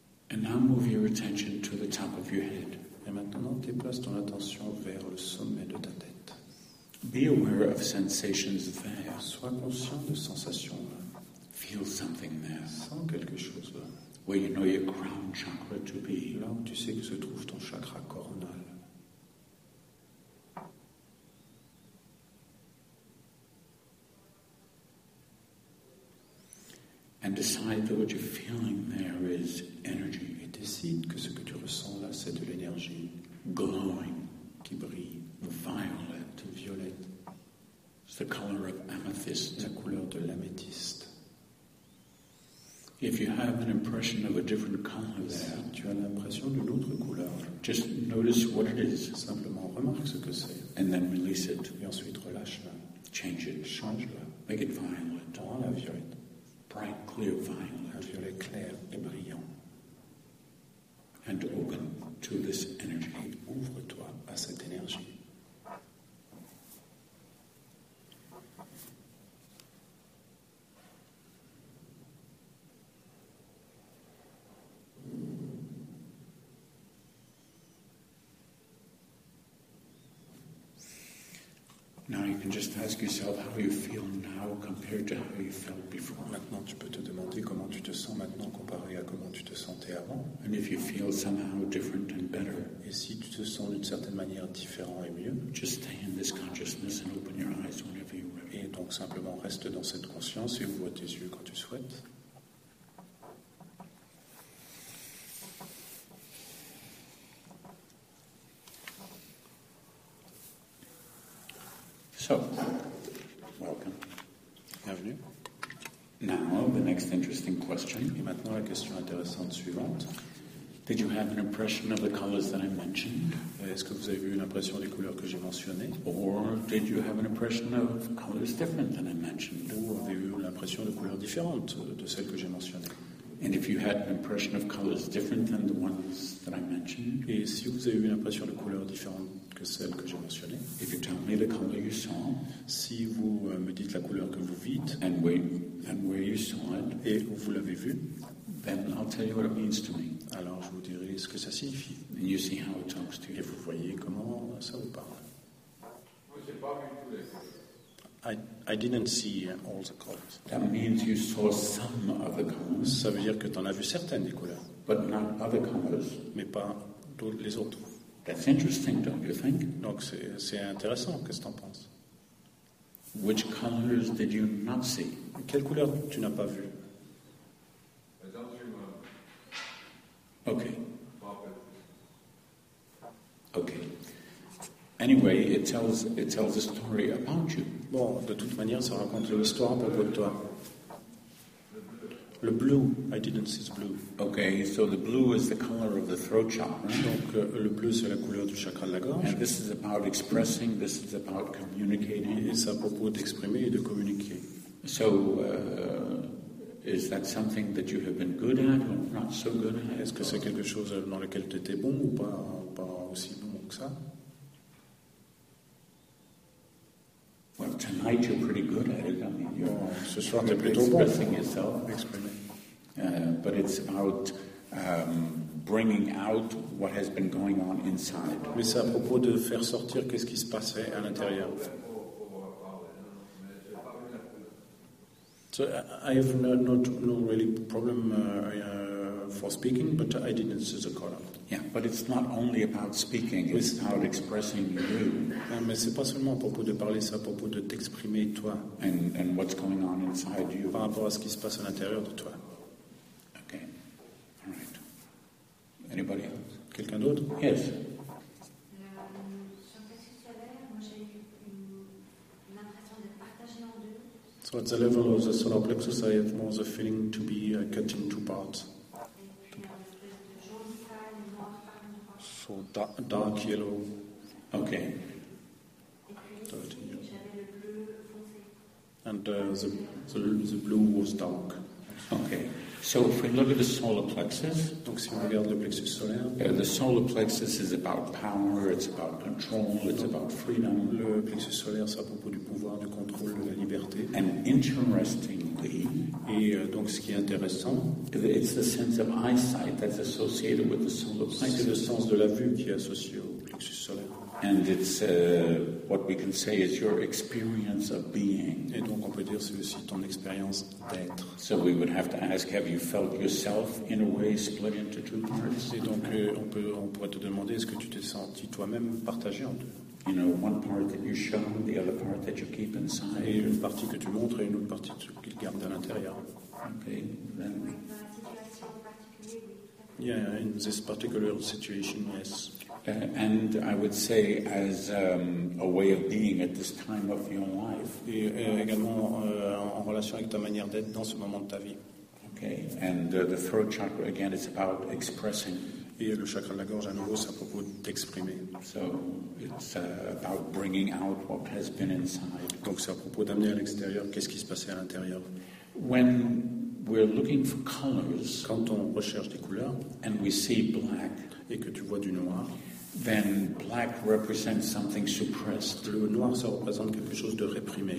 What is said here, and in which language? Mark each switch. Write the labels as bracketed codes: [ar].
[en] Now move your attention to the top of your head. [fr] Et maintenant, déplace ton attention vers le sommet de ta tête. [en] Be aware of sensations there. [fr] Sois conscient de sensations là. [en] Feel something there. [fr] Sens quelque chose là. [en] Where you know your crown chakra to be. [fr] Là où tu sais que se trouve ton chakra coronal. [en] And decide that what you're feeling there is energy. [fr] Et décide que ce que tu ressens là, c'est de l'énergie. [en] Glowing. [fr] Qui brille. [en] Violet. [fr] Violet. [en] It's the color of amethyst. [fr] La couleur de l'améthyste. [en] If you have an impression of a different color, [fr] si tu as l'impression d'une autre couleur, [en] just notice what it is. [fr] Simplement remarque ce que c'est. [en] And then release it. [fr] Et ensuite relâche-la. [en] Change it. [fr] Change-la. [en] Make it violet. [fr] Rends-la violette. [en] Bright, clear, violet. [fr] Un violet clair et brillant. [en] And open to this energy. [fr] Et ouvre-toi à cette énergie. [en] Now you can just ask yourself how you feel now compared to how you felt before. [fr] Maintenant, tu peux te demander comment tu te sens maintenant comparé à comment tu te sentais avant. [en] And if you feel somehow different and better, [fr] et si tu te sens d'une certaine manière différent et mieux, [en] just stay in this consciousness and open your eyes whenever you want. [fr] Et donc simplement reste dans cette conscience et ouvre tes yeux quand tu souhaites. [en] So, welcome. [fr] Bienvenue. [en] Now, the next interesting question. [fr] Et maintenant, la question intéressante suivante. [en] Did you have an impression of the colors that I mentioned? [fr] Est-ce que vous avez eu une impression des couleurs que j'ai mentionnées? [en] Or did you have an impression of colors different than I mentioned? [fr] Ou avez-vous eu l'impression de couleurs différentes de celles que j'ai mentionnées? [en] And if you had an impression of colors different than the ones that I mentioned, [fr] et si vous avez eu une impression de couleurs différentes que celles que j'ai mentionnées, [en] if you tell me the color you saw, [fr] si vous me dites la couleur que vous vîtes, [en] and where you saw it, [fr] et où vous l'avez vue, [en] then I'll tell you what it means to me. [fr] Alors je vous dirai ce que ça signifie. [en] And you see how it talks to you. [fr] Et vous voyez comment ça vous parle. [en] I didn't see all the colors. That means you saw some of the colors. [fr] Ça veut dire que tu en as vu certaines des couleurs. [en] But not other colors. [fr] Mais pas les autres. [en] That's interesting, don't you think? [fr] Donc c'est intéressant, qu'est-ce que tu en penses? [en] Which colors did you not see? [fr] Quelles couleurs tu n'as pas vues? [en] Okay. Okay. Anyway, it tells a story about you. [fr] Bon, de toute manière, ça raconte une histoire à propos de toi. Le bleu, [en] I didn't see the blue. Okay, so the blue is the color of the throat chakra. [fr] Donc, le bleu, c'est la couleur du chakra de la gorge. [en] And this is about expressing, this is about communicating. [fr] Et c'est à propos d'exprimer et de communiquer. [en] So, is that something that you have been good at or not so good at? [fr] Est-ce que c'est quelque chose dans lequel tu étais bon ou pas aussi bon que ça? [en] Well, tonight you're pretty good at it. I mean, [fr] ce soir, t'es plutôt bon. [en] Expressing yourself. [fr] Exprimer. [en] But it's about bringing out what has been going on inside. [fr] Mais c'est à propos de faire sortir qu'est-ce qui se passait à l'intérieur. [en] So I have no really problem for speaking, but I didn't see the color. Yeah, but it's not only about speaking, it's about expressing you. [fr] Non, mais c'est pas seulement à propos de parler, c'est à propos de t'exprimer toi. [en] And what's going on inside you. [fr] Par rapport à ce qui se passe à l'intérieur de toi. [en] Okay. All right. Anybody else? [fr] Quelqu'un d'autre? [en] Yes. So at the level of the solar plexus, I have more the feeling to be cut in two parts. So dark yellow. Okay. And the blue was dark. Okay. So if we look at the solar plexus, [fr] donc si on regarde le plexus solaire, [en] the solar plexus is about power, it's about control, it's about freedom. [fr] Le plexus solaire, c'est à propos du pouvoir, du contrôle, de la liberté. [en] And interestingly, [fr] et donc ce qui est intéressant, [en] it's the sense of eyesight that's associated with the solar plexus. [fr] C'est le sens de la vue qui est associé au plexus solaire. [en] And it's what we can say is your experience of being. [fr] Et donc on peut dire c'est aussi ton expérience d'être. [en] So we would have to ask, have you felt yourself in a way split into two parts? [fr] Et donc on pourrait te demander, est-ce que tu t'es senti toi-même partagé en deux? [en] You know, one part that you show, the other part that you keep inside. [fr] Et une partie que tu montres et une autre partie qu'il garde à l'intérieur. [en] Okay, then. Yeah, in this particular situation, yes. And I would say, as a way of being at this time of your life. [fr] Et également en relation avec ta manière d'être dans ce moment de ta vie. [en] Ok. Okay, and the throat chakra again, it's about expressing. [fr] Et le chakra de la gorge, à nouveau, c'est à propos d'exprimer. [en] So it's about bringing out what has been inside. [fr] Donc c'est à propos d'amener à l'extérieur qu'est-ce qui se passait à l'intérieur. [en] When we're looking for colors, [fr] quand on recherche des couleurs, [en] and we see black, [fr] et que tu vois du noir, [en] then black represents something suppressed. [fr] Le noir, ça représente quelque chose de réprimé.